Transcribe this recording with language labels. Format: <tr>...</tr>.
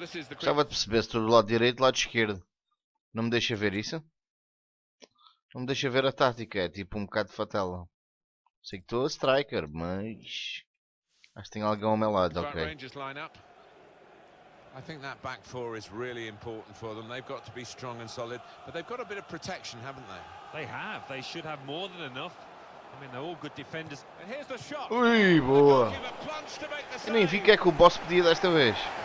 <pt>Gostava de perceber se estou do lado direito ou do lado esquerdo. Não me deixa ver isso? Não me deixa ver a tática. É tipo um bocado de fatela. Sei que estou a striker, mas... acho que tem alguém ao meu lado, ok.</pt> <en>I think that back four is really important for them. They've got to be strong and solid, but they've got a bit of protection, haven't they? They have. They should have more than enough. I mean, they're all good defenders. And here's the shot.</en> <pt>Ui, boa. Eu nem vi o que é que o boss pedia desta vez.</pt>